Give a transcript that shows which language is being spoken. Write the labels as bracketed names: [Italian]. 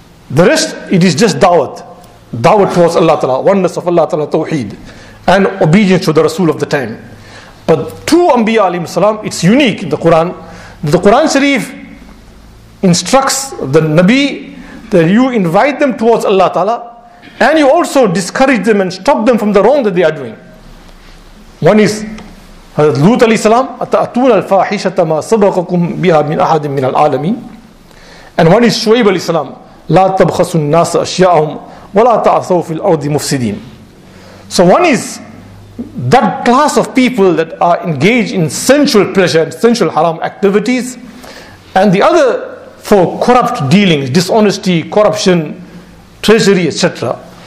[English] The rest, it is just Dawat. Dawat towards Allah Ta'ala, oneness of Allah Ta'ala, Tawheed, and obedience to the Rasul of the time. But two Anbiya alayhim salam, it's unique in the Quran. The Quran Sharif instructs the Nabi that you invite them towards Allah Ta'ala, and you also discourage them and stop them from the wrong that they are doing. One is Hazrat Lut alayhi salam, [Arabic] أَتَأْتُونَ الْفَاحِشَةَ مَا سَبَقَكُمْ بِهَا مِنْ أَحَدٍ مِنَ الْعَالَمِينَ. [English] And one is Shuaib alayhi salam, [Arabic] لَا تَبْخَسُ النَّاسَ أَشْيَاءَهُمْ وَلَا تَعْثَوْ فِي الْأَرْضِ مُفْسِدِينَ. [English] So one is that class of people that are engaged in sensual pleasure and sensual haram activities, and the other for corrupt dealings, dishonesty, corruption, treasury, etc.